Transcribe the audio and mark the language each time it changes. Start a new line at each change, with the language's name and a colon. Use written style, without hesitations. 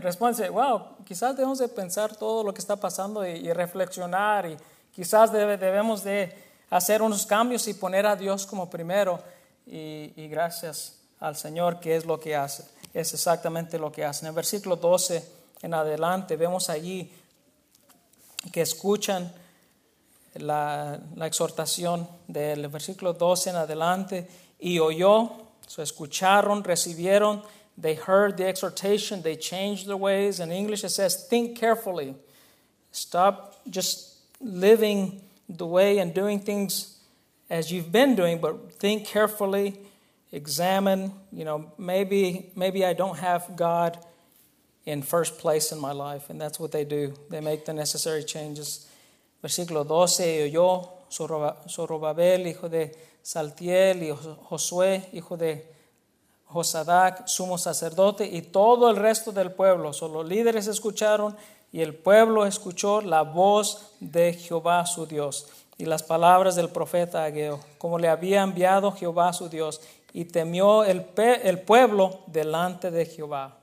Spanish: Responde, wow, quizás debemos de pensar todo lo que está pasando y reflexionar y quizás debemos de hacer unos cambios y poner a Dios como primero y gracias al Señor que es lo que hace, es exactamente lo que hace. En el versículo 12 en adelante vemos allí que escuchan la exhortación del versículo 12 en adelante y oyó, so escucharon, recibieron.
English: They heard the exhortation, they changed their ways. In English it says, think carefully. Stop just living the way and doing things as you've been doing, but think carefully, examine, you know, maybe I don't have God in first place in my life. And that's what they do. They make the necessary changes.
Spanish: Versículo 12, oyó Zorobabel, hijo de Saltiel, y Josué, hijo de Josadac, sumo sacerdote, y todo el resto del pueblo. So, los líderes escucharon y el pueblo escuchó la voz de Jehová su Dios y las palabras del profeta Ageo, como le había enviado Jehová su Dios, y temió el pueblo delante de Jehová.